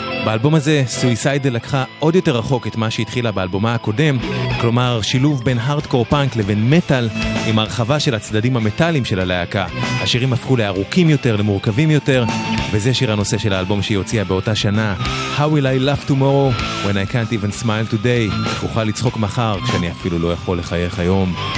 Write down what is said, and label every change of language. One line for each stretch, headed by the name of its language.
Hebrew: באלבום הזה, Suicidal לקחה עוד יותר רחוק את מה שהתחילה באלבומה הקודם, כלומר, שילוב בין הארדקור פאנק לבין מטל, עם הרחבה של הצדדים המטליים של הלהקה. השירים הפכו לארוכים יותר, למורכבים יותר, וזה שיר הנושא של האלבום שהיא הוציאה באותה שנה.
English: How will I laugh tomorrow when I can't even smile today?
Hebrew: איך אוכל לצחוק מחר כשאני אפילו לא יכול לחייך היום?